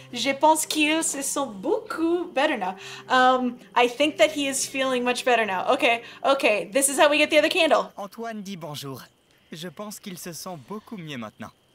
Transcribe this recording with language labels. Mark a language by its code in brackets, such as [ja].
[fr] Je pense qu'il se sent beaucoup [en] better now. I think that he is feeling much better now. Okay. This is how we get the other candle. [fr] Antoine dit bonjour. Je pense qu'il se sent beaucoup mieux maintenant.